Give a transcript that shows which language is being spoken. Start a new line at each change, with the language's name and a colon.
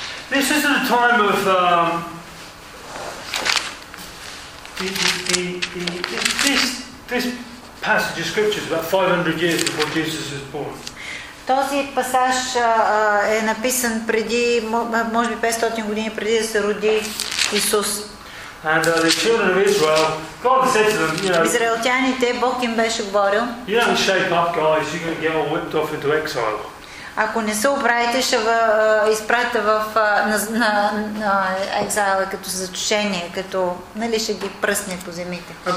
English: This is the time of this passage of scripture is about 500 years before Jesus was born.
Bulgarian: Този пасаж е написан преди, може би 500 години преди да се роди Исус.
English: And the children of Israel, God said to them,
Bulgarian: Израелтяните, Бог им беше говорил,
English: you don't shape up, guys, you're going to get all whipped off into exile.
Bulgarian: Ако не се оправите, ще ви изпратите в на екзайла като заточение, като, нали, ще ги пръсне по земите.